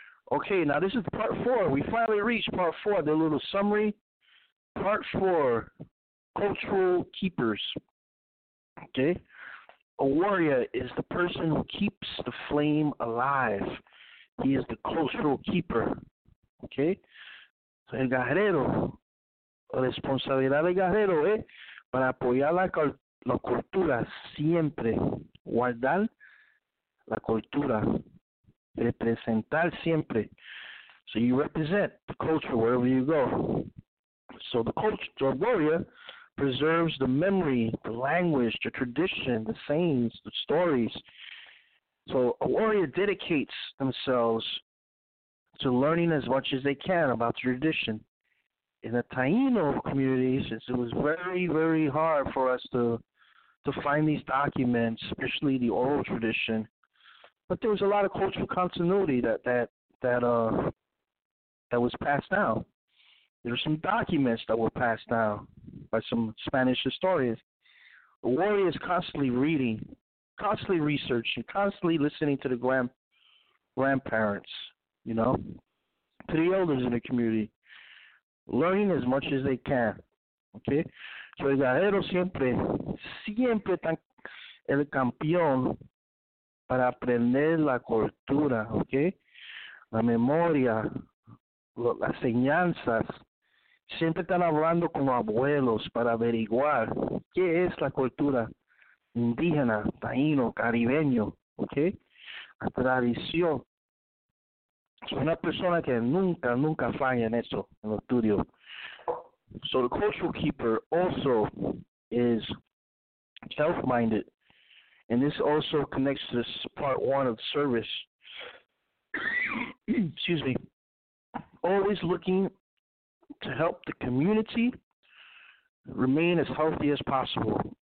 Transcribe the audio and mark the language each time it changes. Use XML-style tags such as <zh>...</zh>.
<en>Okay, now this is part four. We finally reached part four, the little summary. Part four, cultural keepers, okay? A warrior is the person who keeps the flame alive. He is the cultural keeper, okay?</en> <es>So el guerrero, la responsabilidad del guerrero es para apoyar la cultura siempre, guardar la cultura. Representar siempre.</es> <en>So you represent the culture wherever you go. So the culture, the warrior, preserves the memory, the language, the tradition, the sayings, the stories. So a warrior dedicates themselves to learning as much as they can about tradition. In the Taino communities, it was very, very hard for us to find these documents, especially the oral tradition. But there was a lot of cultural continuity that was passed down. There were some documents that were passed down by some Spanish historians. A warrior is constantly reading, constantly researching, constantly listening to the grandparents, to the elders in the community, learning as much as they can, okay?</en> <es>So el guerrero siempre está el campeón para aprender la cultura, okay? La memoria, las enseñanzas. Siempre están hablando con los abuelos para averiguar qué es la cultura indígena, taíno, caribeño, okay? La tradición. Es una persona que nunca, nunca falla en eso, en los estudios.</es> <en>So the cultural keeper also is self-minded. And this also connects to this part one of service. Excuse me. Always looking to help the community remain as healthy as possible.</en>